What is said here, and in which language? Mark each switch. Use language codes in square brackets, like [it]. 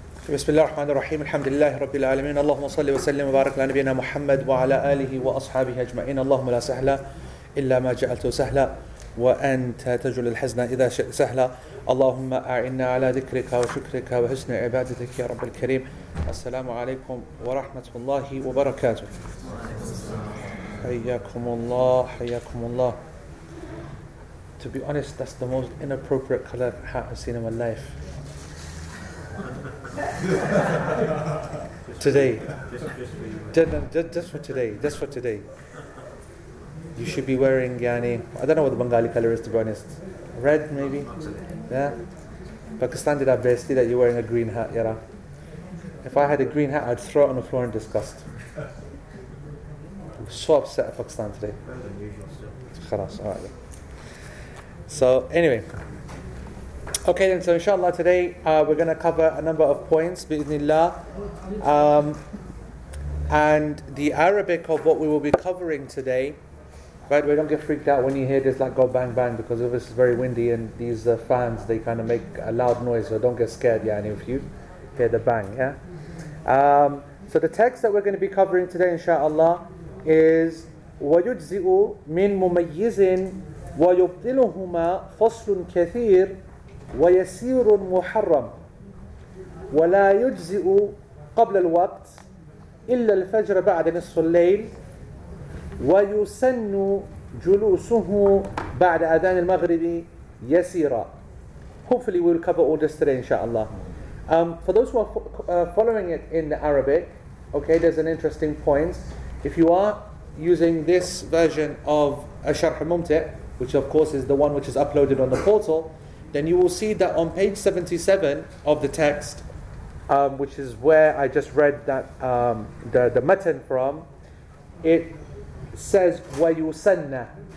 [ar] بسم الله الرحمن الرحيم الحمد لله رب العالمين اللهم صل وسلم وبارك على نبينا محمد وعلى آله وأصحابه أجمعين اللهم لا سهل إلا ما جعلته سهلا وأنت تجعل الحزن إذا شئت سهلا اللهم أعنا على ذكرك وشكرك وحسن عبادتك يا رب الكريم السلام عليكم ورحمة الله وبركاته حياكم الله حياكم الله. [en] To be honest, that's the most inappropriate color hat I've seen in my life. Today, just for today, you should be wearing yani. I don't know what the Bengali color is, to be honest. Red, maybe. Yeah, Pakistan did our best. That you're wearing a green hat, yara. If I had a green hat, I'd throw it on the floor in disgust. I'm so upset at Pakistan today. Khalas, all right. So anyway. Okay then, so inshallah today we're going to cover a number of points, bi'idhnillah. And the Arabic of what we will be covering today, by the way, don't get freaked out when you hear this like go bang bang, because this is very windy and these fans, they kind of make a loud noise, so don't get scared, yeah, any of you hear the bang, yeah? So the text that we're going to be covering today, inshallah, is [ar] وَيُجْزِئُ مِن مُمَيِّزٍ وَيُبْدِلُهُمَا فَصْلٌ كَثِيرٌ ويسير محرم ولا يجزئ قبل الوقت إلا الفجر بعد نصف الليل ويسن جلوسه بعد أذان المغرب يسيرا. [en] Hopefully we'll cover all this today, inshallah. For those who are following it in the Arabic, okay, there's an interesting point. If you are using this version of Sharh Mumti', which of course is the one which is uploaded on the portal, then you will see that on page 77 of the text, which is where I just read that the matan from, it says wayusanna.